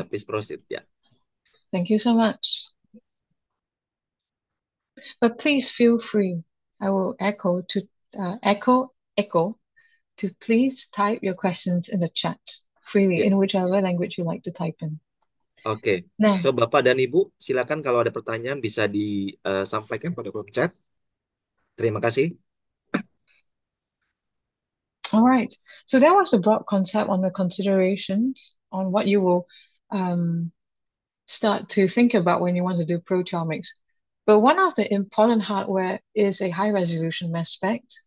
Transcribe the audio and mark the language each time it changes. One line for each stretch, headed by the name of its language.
English: please proceed, ya. Thank you so much. But please feel free. I will echo to echo to please type your questions in the chat freely in whichever language you like to type in. Okay. So, Nah.
Indonesian: Bapak dan Ibu, silakan kalau ada pertanyaan bisa disampaikan pada kolom chat. Terima kasih.
English: Alright. So that was a broad concept on the considerations on what you will start to think about when you want to do proteomics. But one of the important hardware is a high resolution mass spec.